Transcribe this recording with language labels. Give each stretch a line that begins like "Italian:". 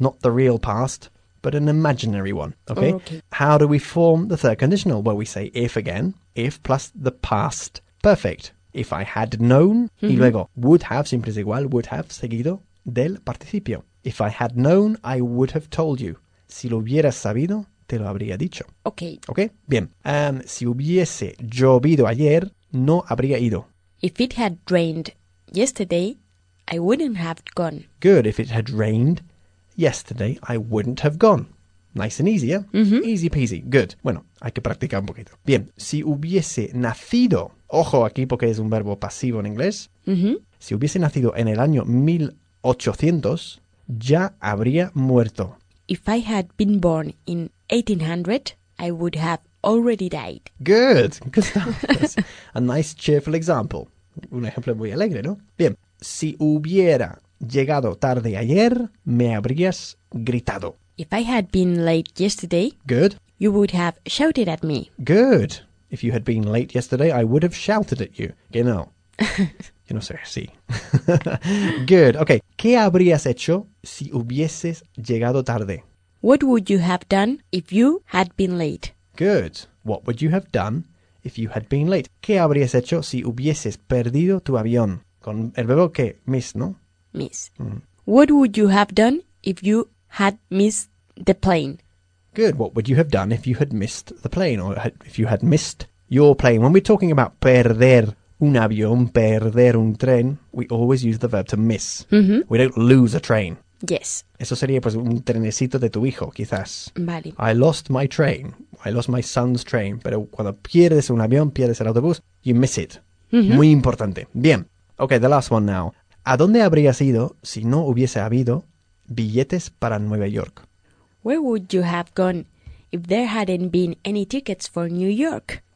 English: Not the real past, but an imaginary one. Okay? Okay. How do we form the third conditional? Well, we say if again. If plus the past perfect. If I had known, mm-hmm.
Spanish: y luego
English: would have,
Spanish: siempre es igual,
English: would have
Spanish: seguido del participio.
English: If I had known, I would have told you.
Spanish: Si lo hubieras sabido, te lo habría dicho.
English: Okay.
Spanish: Okay, bien. Si hubiese llovido ayer, no habría ido.
English: If it had rained yesterday, I wouldn't have gone. Good. If it had rained yesterday, I wouldn't have gone. Nice and easy, yeah? Mm-hmm. Easy peasy. Good.
Spanish: Bueno, hay que practicar un poquito. Bien. Si hubiese nacido... Ojo aquí porque es un verbo pasivo en inglés. Mm-hmm. Si hubiese nacido en el año 1800, ya habría muerto.
English: If I had been born in 1800, I would have already died. Good. Good stuff. That's a nice cheerful example.
Spanish: Un ejemplo muy alegre, ¿no? Bien. Si hubiera llegado tarde ayer, me habrías gritado.
English: If I had been late yesterday, good. You would have shouted at me. Good. If you had been late yesterday, I would have shouted at you. You know. You know, sir. Sí. Good. Okay.
Spanish: ¿Qué habrías hecho si hubieses llegado tarde?
English: What would you have done if you had been late? Good. What would you have done if you had been late?
Spanish: ¿Qué habrías hecho si hubieses perdido tu avión? Con el verbo que miss, ¿no?
English: Miss. Mm. What would you have done if you had missed the plane? Good. What would you have done if you had missed the plane or if you had missed your plane? When we're talking about
Spanish: perder un avión, perder un tren,
English: we always use the verb to miss. Mm-hmm. We don't lose a train. Yes.
Spanish: Eso sería pues un trenecito de tu hijo, quizás. Vale.
English: I lost my train. I lost my son's train.
Spanish: Pero cuando pierdes un avión, pierdes el autobús,
English: you miss it. Mm-hmm.
Spanish: Muy importante. Bien.
English: Okay, the last one now.
Spanish: ¿A dónde habrías ido si no hubiese habido billetes para Nueva York?
English: Where would you have gone if there hadn't been any tickets for New York?